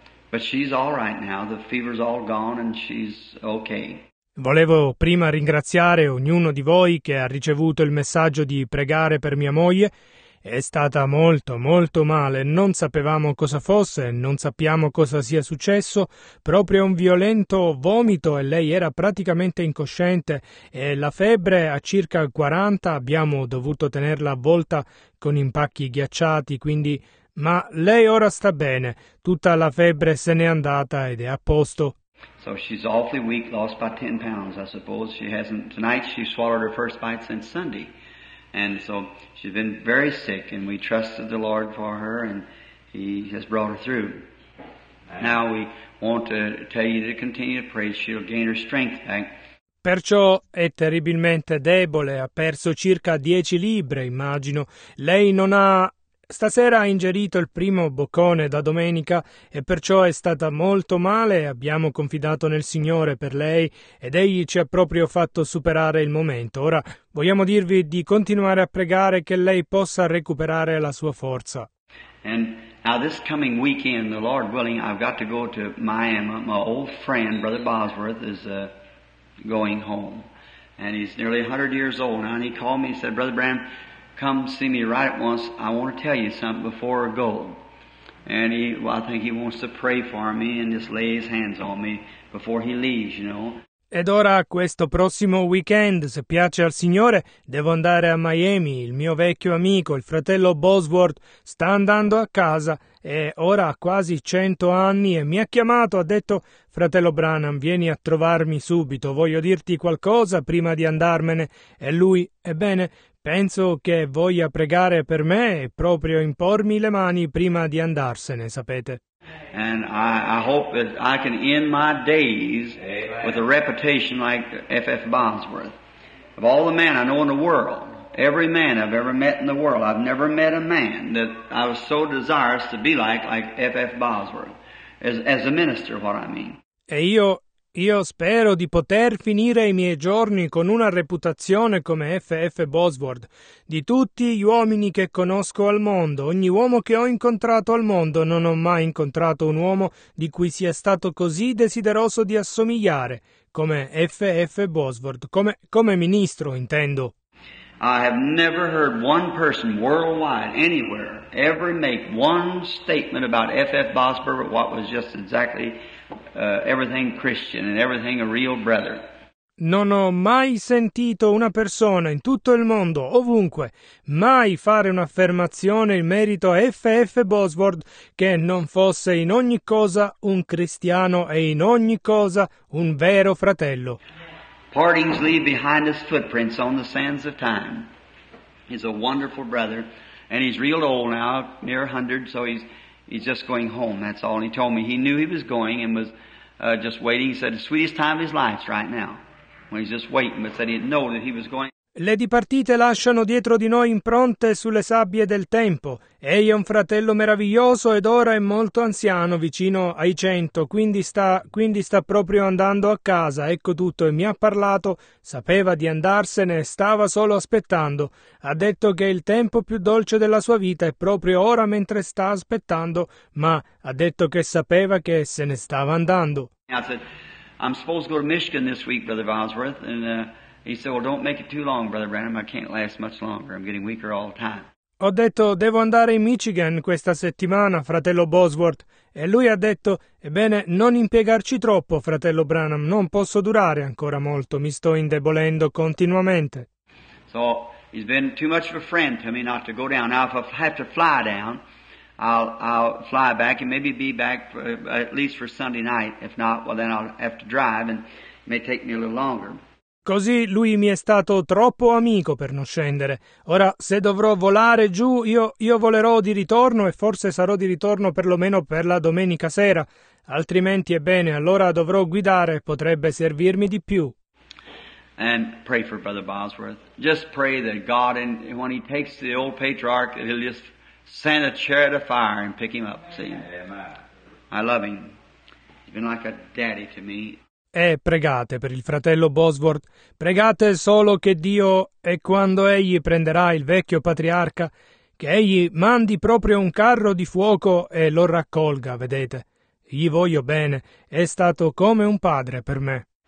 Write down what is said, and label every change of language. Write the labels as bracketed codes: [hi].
[en] But she's all right now. The fever's all gone and she's okay. [it] Volevo prima ringraziare ognuno di voi che ha ricevuto il messaggio di pregare per mia moglie. È stata molto, molto male. Non sapevamo cosa fosse, non sappiamo cosa sia successo. Proprio un violento vomito e lei era praticamente incosciente. E la febbre a circa 40, abbiamo dovuto tenerla avvolta con impacchi ghiacciati, quindi... Ma lei ora sta bene. Tutta la febbre se n'è andata ed è a posto. [en] So she's awfully weak, lost by 10 pounds, I suppose. She hasn't... Tonight she swallowed her first bite since Sunday. And so she's been very sick, and we trusted the Lord for her, and He has brought her through. Now we want to tell you to continue to pray. She'll gain her strength back. [it] Perciò è terribilmente debole. Ha perso circa 10 libbre, immagino. Lei non ha... Stasera ha ingerito il primo boccone da domenica e perciò è stata molto male. Abbiamo confidato nel Signore per lei ed Egli ci ha proprio fatto superare il momento. Ora vogliamo dirvi di continuare a pregare che lei possa recuperare la sua forza. [en] And now this coming weekend, the Lord willing, I've got to go to Miami. My old friend, Brother Bosworth, is going home. And he's nearly 100 years old now. And he called me and said, Brother Branham, come see me right at once. I want to tell you something before I go. And I think he wants to pray for me and just lay his hands on me before he leaves, you know. [it] Ed ora, questo prossimo weekend, se piace al Signore, devo andare a Miami. Il mio vecchio amico, il fratello Bosworth, sta andando a casa e ora ha quasi 100 anni e mi ha chiamato, ha detto, fratello Branham, vieni a trovarmi subito, voglio dirti qualcosa prima di andarmene. E lui, ebbene, penso che voglia pregare per me e proprio impormi le mani prima di andarsene, sapete. [en] And I hope that I can end my days. Amen. With a reputation like F.F. Bosworth. Of all the men I know in the world, every man I've ever met in the world, I've never met a man that I was so desirous to be like F.F. Bosworth, as a minister, what I mean. [it] E io spero di poter finire i miei giorni con una reputazione come F.F. Bosworth. Di tutti gli uomini che conosco al mondo, ogni uomo che ho incontrato al mondo, non ho mai incontrato un uomo di cui sia stato così desideroso di assomigliare, come F.F. Bosworth, come ministro, intendo. [en] I have never heard one person worldwide, anywhere, ever make one statement about F.F. Bosworth, what was just exactly... everything Christian and everything a real brother. [it] Non ho mai sentito una persona in tutto il mondo, ovunque, mai fare un'affermazione in merito a F.F. Bosworth che non fosse in ogni cosa un cristiano e in ogni cosa un vero fratello. [en] Partings leave behind his footprints on the sands of time. He's a wonderful brother and he's real old now, near 100, so he's just going home, that's all. And he told me he knew he was going and was just waiting. He said the sweetest time of his life's right now, when he's just waiting, but said he didn't know that he was going. [it] Le dipartite lasciano dietro di noi impronte sulle sabbie del tempo. Egli è un fratello meraviglioso ed ora è molto anziano, vicino ai 100, quindi sta proprio andando a casa, ecco tutto, e mi ha parlato, sapeva di andarsene, stava solo aspettando. Ha detto che il tempo più dolce della sua vita è proprio ora mentre sta aspettando, ma ha detto che sapeva che se ne stava andando. [en] I'm supposed to go to Michigan this week, Brother Bosworth, and... He said, well, don't make it too long, Brother Branham. I can't last much longer. I'm getting weaker all the time. [it] Ho detto, devo andare in Michigan questa settimana, fratello Bosworth. E lui ha detto, ebbene, non impiegarci troppo, fratello Branham, non posso durare ancora molto, mi sto indebolendo continuamente. [en] So, he's been too much of a friend to me not to go down. Now, if I have to fly down, I'll fly back and maybe be back for, at least for Sunday night. If not, well, then I'll have to drive and it may take me a little longer. [it] Così lui mi è stato troppo amico per non scendere. Ora, se dovrò volare giù, io volerò di ritorno e forse sarò di ritorno perlomeno per la domenica sera. Altrimenti, ebbene, allora dovrò guidare, potrebbe servirmi di più. [en] And pray for Brother Bosworth. Just pray that God, and when he takes the old patriarch, he'll just send a chariot of fire and pick him up. See? I love him. He's been like a daddy to me. [it] E pregate per il fratello Bosworth, pregate solo che Dio, e quando egli prenderà il vecchio patriarca, che egli mandi proprio un carro di fuoco e lo raccolga, vedete. Gli voglio bene, è stato come un padre per me.